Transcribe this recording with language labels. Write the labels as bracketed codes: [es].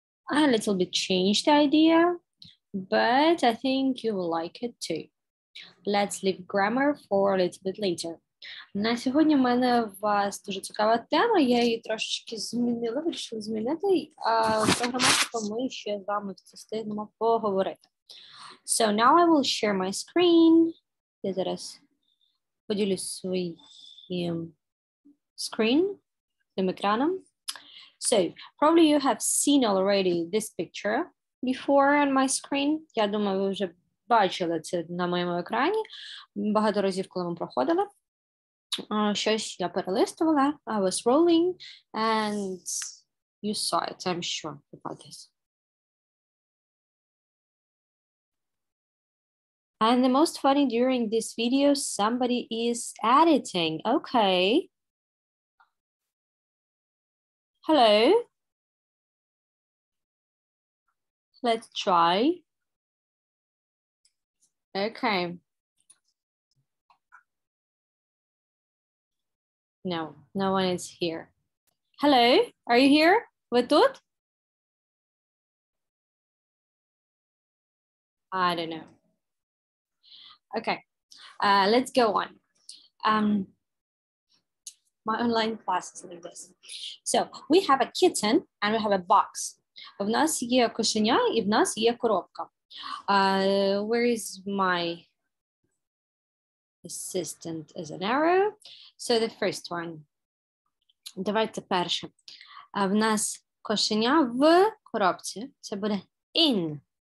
[en] A little bit changed idea, but I think you will like it too. Let's leave grammar for a little bit later. [uk] На сьогодні в мене вас дуже цікава тема, я її трошечки змінила, вирішила змінити, а про граматику ми ще з вами встигнемо поговорити. [en] So now I will share my screen. [uk] Я зараз поділюсь своїм screen, тим екраном. [en] So, probably you have seen already this picture before on my screen. [uk] Я думаю, ви вже бачили це на моєму екрані. Багато разів, коли ми проходили, щось я перелистувала. [en] I was rolling and you saw it, I'm sure about this. And the most funny during this video, somebody is editing. Okay. Hello. Let's try. Okay. No, no one is here. Hello, are you here? [uk] Ви тут? [en] I don't know. Okay, let's go on. My online class is like this. So we have a kitten and we have a box. [uk] В нас є кошеня і в нас є коробка. [en] Where is my assistant? Is an arrow. So the first one. [uk] Давайте перше. В нас кошеня в коробці. Це буде in.